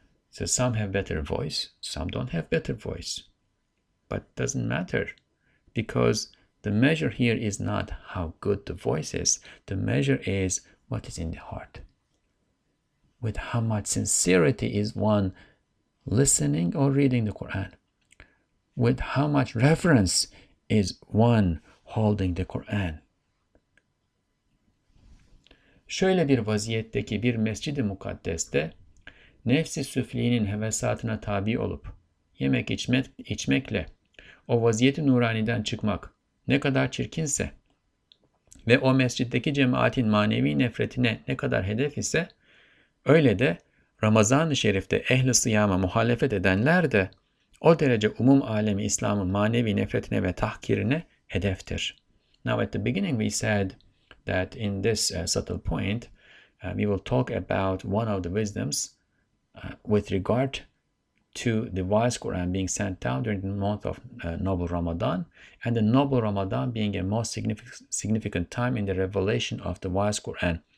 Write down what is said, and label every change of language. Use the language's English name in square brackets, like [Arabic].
[English] So some have better voice, some don't have better voice, but doesn't matter, because the measure here is not how good the voice is. The measure is what is in the heart. With how much sincerity is one listening or reading the Quran? With how much reverence is one holding the Quran? [Turkish] Şöyle bir vaziyetteki bir mescid-i mukaddeste nefs-i süfliğinin hevesatına tabi olup yemek içmekle o vaziyeti nuraniden çıkmak ne kadar çirkinse ve o mescitteki cemaatin manevi nefretine ne kadar hedef ise, öyle de Ramazan-ı Şerif'te ehl-i sıyama muhalefet edenler de o derece umum alemi İslam'ın manevi nefretine ve tahkirine hedeftir. [English] Now at the beginning we said that in this subtle point, we will talk about one of the wisdoms with regard to the wise Quran being sent down during the month of noble Ramadan, and the noble Ramadan being a most significant time in the revelation of the wise Quran.